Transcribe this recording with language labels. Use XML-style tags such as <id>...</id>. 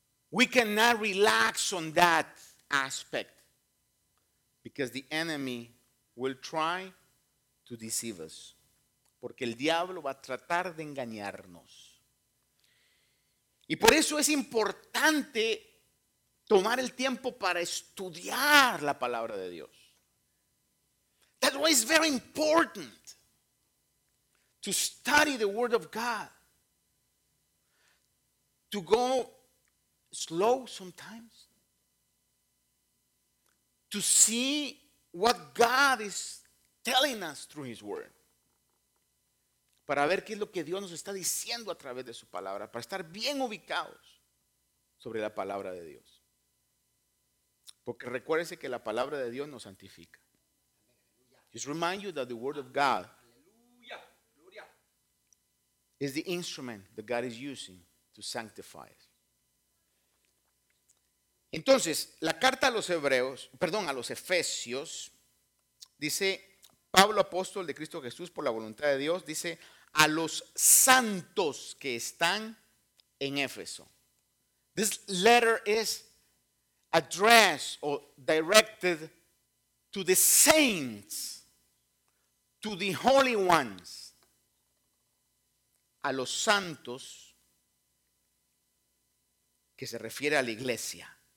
<en>We cannot relax on that aspect because the enemy will try to deceive us.</en> <es>Porque el diablo va a tratar de engañarnos. Y por eso es importante tomar el tiempo para estudiar la palabra de Dios.</es> <en>That's why it's very important to study the Word of God. To go slow sometimes, to see what God is telling us through His Word,</en> <es>para ver qué es lo que Dios nos está diciendo a través de su palabra, para estar bien ubicados sobre la palabra de Dios. Porque recuérdese que la palabra de Dios nos santifica.</es> <en>Just remind you that the word of God is the instrument that God is using to sanctify us.</en> <es>Entonces, la carta a los hebreos, perdón, a los efesios, dice Pablo, apóstol de Cristo Jesús, por la voluntad de Dios, dice a los santos que están en Éfeso.</es> <en>This letter is addressed or directed to the saints, to the holy ones,</en> <es>a los santos, que se refiere a la iglesia.</es>